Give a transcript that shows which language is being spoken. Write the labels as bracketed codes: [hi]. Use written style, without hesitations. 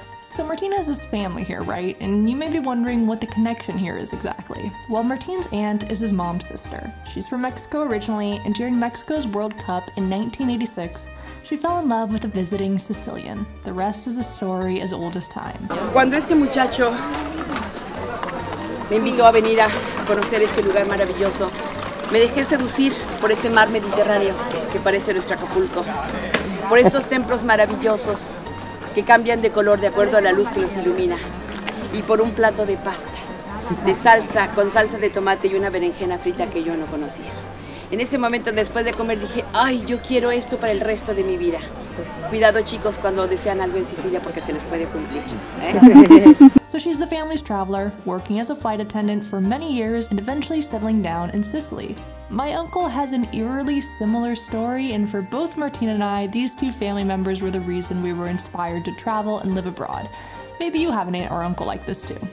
[en] So Martina has his family here, right? And you may be wondering what the connection here is exactly. Well, Martin's aunt is his mom's sister. She's from Mexico originally, and during Mexico's World Cup in 1986, she fell in love with a visiting Sicilian. The rest is a story as old as time. [es] Cuando este muchacho me invitó a venir a conocer este lugar maravilloso, me dejé seducir por ese mar mediterráneo que parece nuestro Acapulco, por estos templos maravillosos que cambian de color de acuerdo a la luz que los ilumina, y por un plato de pasta, de salsa, con salsa de tomate y una berenjena frita que yo no conocía. En ese momento, después de comer, dije, ay, yo quiero esto para el resto de mi vida. Cuidado, chicos, cuando desean algo en Sicilia, porque se les puede cumplir. [en] So she's the family's traveler, working as a flight attendant for many years and eventually settling down in Sicily. My uncle has an eerily similar story, and for both Martina and I, these two family members were the reason we were inspired to travel and live abroad. Maybe you have an aunt or uncle like this too.